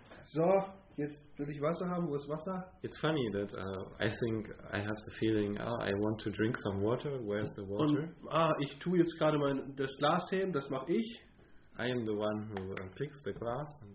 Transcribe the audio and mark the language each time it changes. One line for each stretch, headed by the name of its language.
German: So, jetzt will ich Wasser haben. Wo ist Wasser?
English: It's funny that I think I have the feeling, I want to drink some water. Where's the water?
German: Und, ich tue jetzt gerade das Glas heben. Das mache ich.
English: I am the one who picks the glass.